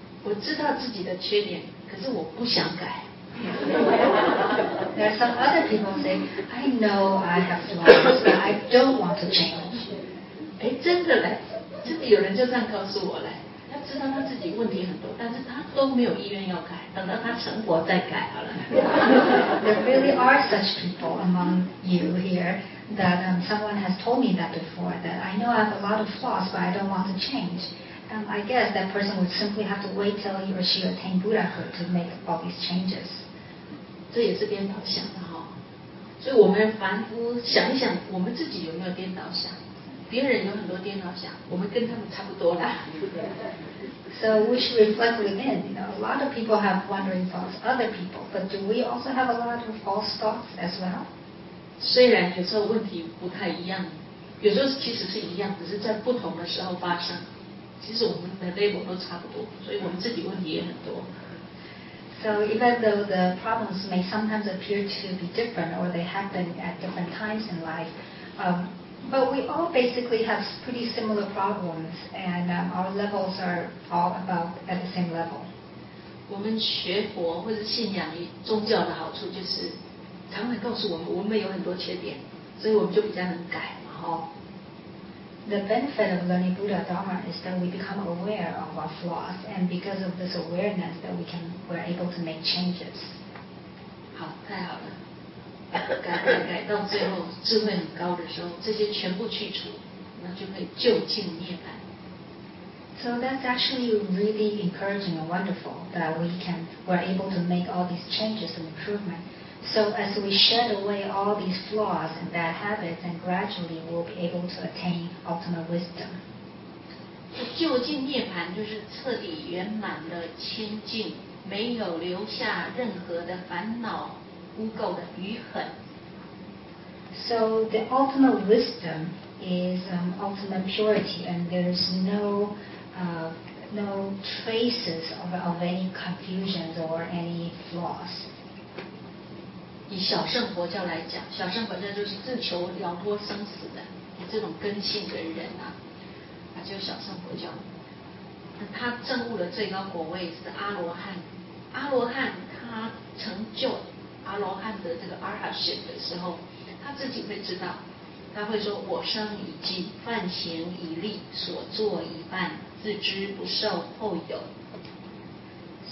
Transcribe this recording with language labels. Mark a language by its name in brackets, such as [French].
[Chinese] 我知道自己的缺点，可是我不想改。 [English] There are some other people say, "I know I have flaws, but I don't want to change." [Chinese] 哎，真的嘞，真的有人就这样告诉我嘞。他知道他自己问题很多，但是他都没有意愿要改，等到他成果再改好了。 [English] There really are such people among you here that someone has told me that before. That I know I have a lot of flaws, but I don't want to change. I guess that person would simply have to wait till he or she attained Buddhahood to make all these changes. [Chinese] 这也是颠倒想的哈、哦，所以我们凡夫想一想，我们自己有没有颠倒想？别人有很多颠倒想，我们跟他们差不多啦。 [English] So we should reflect within. You know, a lot of people have wandering thoughts, other people, but do we also have a lot of false thoughts as well? [Chinese] 虽然有时候问题不太一样，有时候其实是一样，只是在不同的时候发生。其实我们的 label 都差不多，所以我们自己问题也很多。 [English] So even though the problems may sometimes appear to be different or they happen at different times in life, but we all basically have pretty similar problems and our levels are all about at the same level. [Chinese] 我们学佛或者信仰宗教的好处就是，常常告诉我们我们有很多缺点，所以我们就比较能改嘛，哈。 [English] The benefit of learning Buddha Dharma is that we become aware of our flaws, and because of this awareness, that we're able to make changes. [Chinese] 好，太好了。改到最后智慧很高的时候，这些全部去除，那就可以究竟涅槃。 [English] So that's actually really encouraging and wonderful that we're able to make all these changes and improvement. So as we shed away all these flaws and bad habits, and gradually we'll be able to attain ultimate wisdom. [Chinese] 究竟涅槃就是彻底圆满的清净，没有留下任何的烦恼、污垢的余痕。 So the ultimate wisdom is ultimate purity, and there's no traces of any confusions or any flaws. 以小乘佛教来讲，小乘佛教就是自求了脱生死的这种根性跟人啊，啊，就是小乘佛教。那他证悟的最高果位是阿罗汉，阿罗汉他成就阿罗汉的这个 arhatship 的时候，他自己会知道，他会说：“我生已尽，犯行已立，所作已办，自知不受后有。”